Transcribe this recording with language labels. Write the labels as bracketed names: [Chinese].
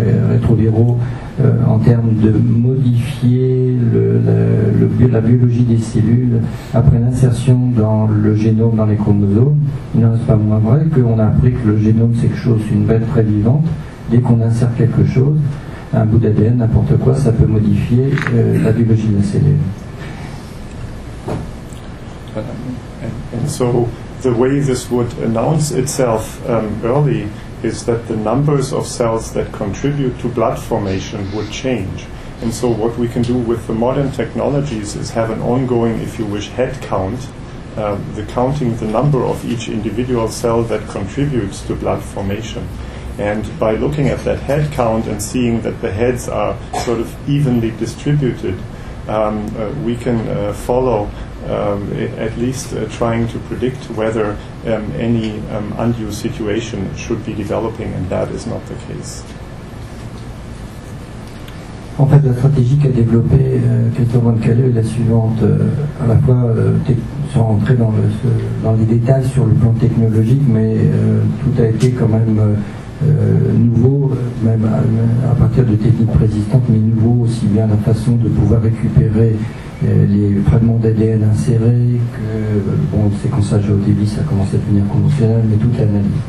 [French] rétroviraux en termes de modifier la biologie des cellules après l'insertion dans le génome, dans les chromosomes, il n'en reste pas moins vrai qu'on a appris que le génome, c'est quelque chose, une bête très vivante, dès qu'on insère quelque chose. Un bout d'ADN, n'importe quoi, ça peut modifier la biologie de la cellule. [English] And so the way this would announce itself early is that the numbers of cells that contribute to blood formation would change. And so what we can do with the modern technologies is have an ongoing, if you wish, head count, the counting the number of each individual cell that contributes to blood formation. And by looking at that head count and seeing that the heads are sort of evenly distributed, we can follow, at least trying to predict whether any undue situation should be developing, and that is not the case. [French] En fait, la stratégie qu'a développée Christophe Moncalieu est la suivante, à la fois sans rentrer dans, dans les détails sur le plan technologique, mais tout a été quand même nouveau, même à partir de techniques préexistantes, mais nouveau aussi bien la façon de pouvoir récupérer les fragments d'ADN insérés, que bon, le séquençage au débit, ça commence à devenir conventionnel, mais toute l'analyse.